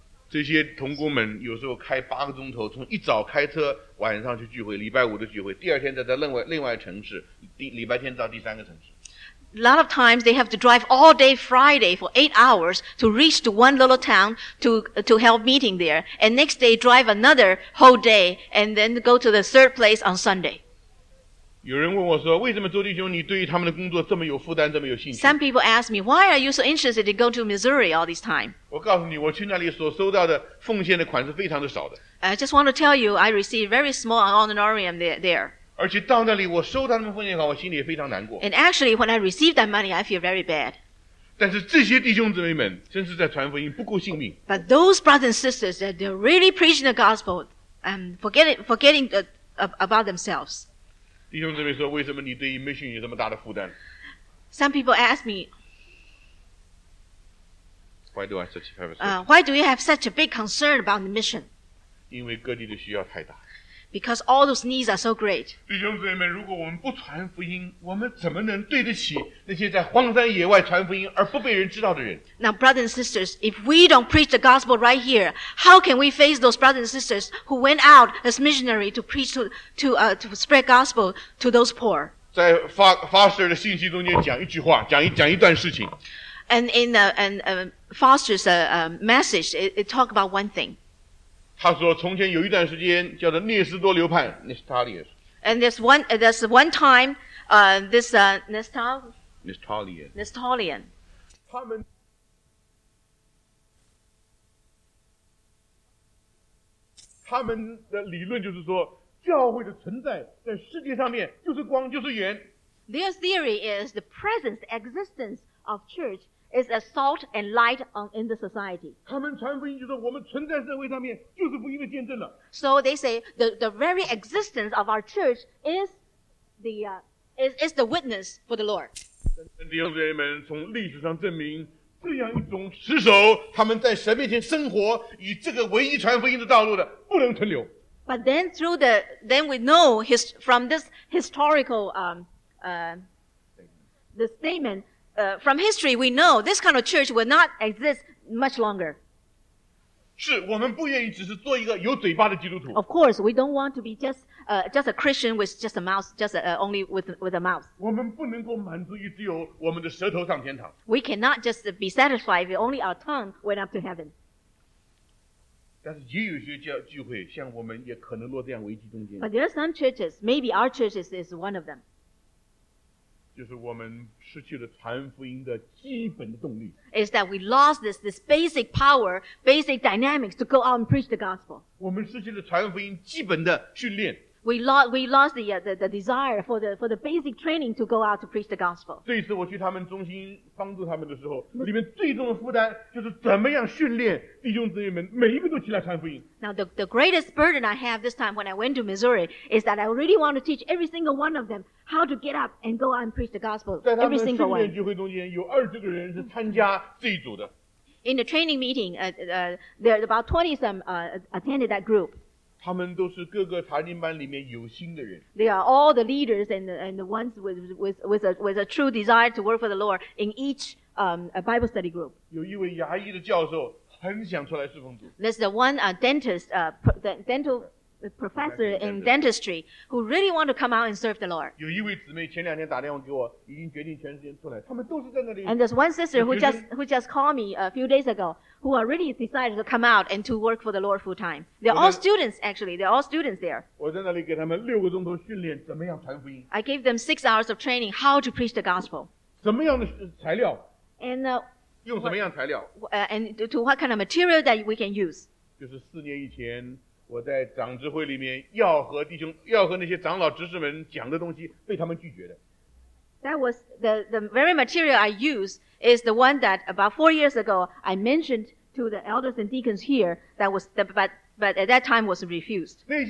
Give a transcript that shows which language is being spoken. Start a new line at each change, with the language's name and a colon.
Chinese: 这些同工们有时候开八个钟头，从一早开车，晚上去聚会，礼拜五的聚会，第二天再到另外城市，礼拜天到第三个城市。
English: A lot of times they have to drive all day Friday for 8 hours to reach to one little town to help meeting there, and next day drive another whole day and then go to the third place on Sunday.
Chinese: 有人问我说，为什么周弟兄你对于他们的工作这么有负担，这么有兴趣？
English: Some people ask me, why are you so interested to go to Missouri all this time?
Chinese: 我告诉你，我去那里所收到的奉献的款是非常的少的。
English: I just want to tell you, I received very small honorarium there.
Chinese: 而且到那里我收到他们奉献款，我心里也非常难过。
English: And actually, when I received that money, I feel very bad.
Chinese: 但是这些弟兄姊妹们真是在传福音，不顾性命。
English: But those brothers and sisters, that they're really preaching the gospel, and forgetting about themselves.
Chinese: 弟兄姊妹说，为什么你对 mission 有这么大的负担？
English: Some people ask me, why do you have such a big concern about the mission?
Chinese: 因为各地的需要太大。
English: Because all those needs are so great.
Chinese: 弟兄姊妹们，如果我们不传福音，我们怎么能对得起那些在荒山野外传福音而不被人知道的人？
English: Now, brothers and sisters, if we don't preach the gospel right here, how can we face those brothers and sisters who went out as missionary to preach to spread gospel to those poor?
Chinese: 在Foster 的信息中间讲一句话，讲一段事情。
English: And in Foster's message, it talk about one thing.
Chinese: 他说从前有一段时间叫做聂斯多流派 Nestalius.
English: And there's one time, Nestalian.
Chinese: 他们的理论就是说教会的存在在世界上面就是光就是盐。
English: Their theory is the presence, the existence of church. Is a salt and light in the society.
Chinese: 他们传福音就是我们存在社会上面就是福音的见证了。
English: So they say the very existence of our church is the witness for the Lord.
Chinese: 弟兄姊妹们，从历史上证明，这样一种持守他们在神面前生活以这个唯一传福音的道路的，不能存留。
English: But then we know from this historical the statement. From history, we know this kind of church will not exist much longer.
Chinese: 是我们不愿意只是做一个有嘴巴的基督徒。
English: Of course, we don't want to be just a Christian with just a mouth, only with a mouth.
Chinese: 我们不能够满足于只有我们的舌头上天堂。
English: We cannot just be satisfied if only our tongue went up to heaven.
Chinese: 但是也有些聚会，像我们也可能落这样危机中间。
English: But there are some churches, maybe our church is one of them.
Chinese: 就是我们失去了传福音的基本的动力。
English: Is that we lost this basic power, basic dynamics to go out and preach the gospel?
Chinese: 我们失去了传福音基本的训练。
English: We lost the desire for the basic training to go out to preach the gospel.
Chinese: 这一次我去他们中心帮助他们的时候，里面最重的负担就是怎么样训练弟兄姊妹们每一个都起来传福音。
English: Now the greatest burden I have this time when I went to Missouri is that I really want to teach every single one of them how to get up and go out and preach the gospel. Every single one.
Chinese: 在他们的训练聚会中间，有20个人是参加这一组的。
English: In the training meeting, there are about 20 some attended that group.
Chinese: 他们都是各个查经班里面有心的人。
English: They are all the leaders and the ones with a true desire to work for the Lord in each Bible study group.
Chinese: 有一位牙医的教授很想出来侍奉主。
English: There's the one dental professor in dentistry who really want to come out and serve the Lord.
Chinese: 有一位姊妹前两天打电话给我，已经决定全时间出来。他们都是在那里。
English: And there's one sister who just called me a few days ago who already decided to come out and to work for the Lord full time. They're all students, actually. They're all students there. I gave them 6 hours of training how to preach the gospel. And to what kind of material that we can use.
Chinese: 就是四年以前我在长执会里面要和那些长老执事们讲的东西被他们拒绝的。
English: That was the very material I used is the one that about 4 years ago I mentioned to the elders and deacons here that was the, but at that time was refused.